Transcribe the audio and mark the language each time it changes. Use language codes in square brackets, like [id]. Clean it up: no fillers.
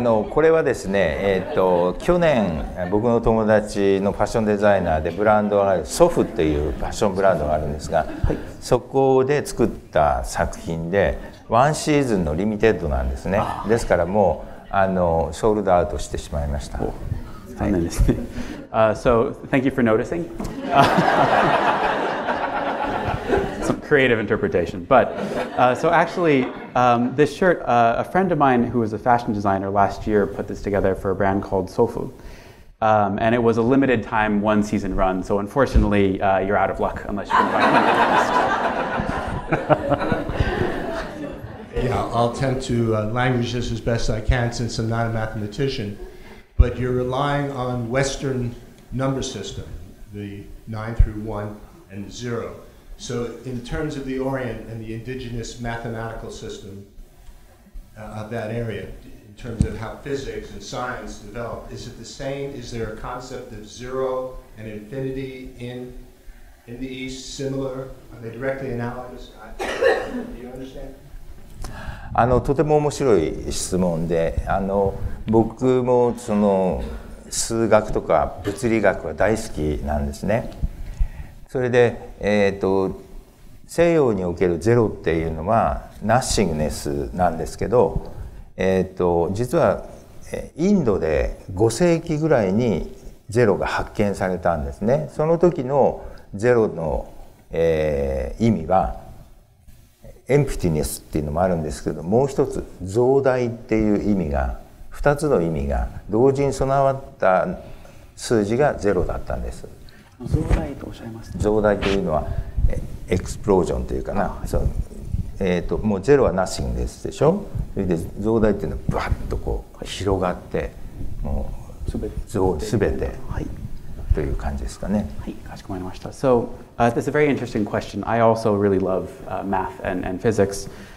[ja] のこれはですね、去年僕の友達のファッションデザイナーでブランドがあるソフというファッションブランドがあるんですが、そこで作った作品でワンシーズンのリミテッドなんですね。ですからもうあのソールドアウトしてしまいました。残念ですね。 [en] So thank you for noticing. Some creative interpretation. But so actually, this shirt, a friend of mine who was a fashion designer last year put this together for a brand called Sofu. And it was a limited time, one season run. So unfortunately, you're out of luck unless you can buy one. Yeah, I'll attempt to language this as best I can since I'm not a mathematician. But you're relying on Western number system, the 9 through 1 and 0. So in terms of the Orient and the indigenous mathematical system of that area, in terms of how physics and science developed, is it the same? Is there a concept of zero and infinity in the East similar? Are they directly analogous? Do you understand? [ja] あのとても面白い質問で、あの僕もその数学とか物理学は大好きなんですね。それで、西洋におけるゼロっていうのはナッシングネスなんですけど、実はインドで5世紀ぐらいにゼロが発見されたんですね。その時のゼロの、意味はエンプティネスっていうのもあるんですけど、もう一つ増大っていう意味が、二つの意味が同時に備わった数字がゼロだったんです。増大とおっしゃいますね。増大というのはエクスプロージョンというかな、はい、そう、もうゼロはナッシングですでしょ。それで増大っていうのはバッとこう広がって、もう全て、全てという感じですかね。はい、かしこまりました。 [en] So, this is a very interesting question. I also really love math and physics.